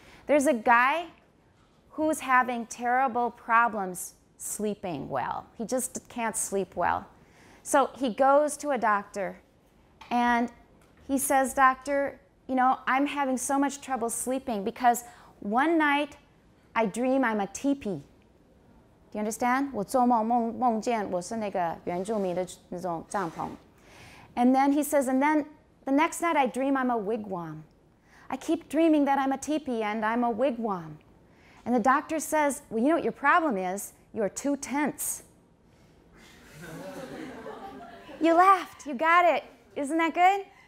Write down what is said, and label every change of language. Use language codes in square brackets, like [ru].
[en] There's a guy who's having terrible problems sleeping well. He just can't sleep well. So he goes to a doctor and he says, "Doctor, you know, I'm having so much trouble sleeping because one night I dream I'm a teepee." Do you understand? [zh] 我做梦梦见我是那个原住民的那种帐篷。 [en] And then he says, and then the next night I dream I'm a wigwam. I keep dreaming that I'm a teepee and I'm a wigwam. And the doctor says, well, you know what your problem is? You're too tense. You laughed. You got it. Isn't that good?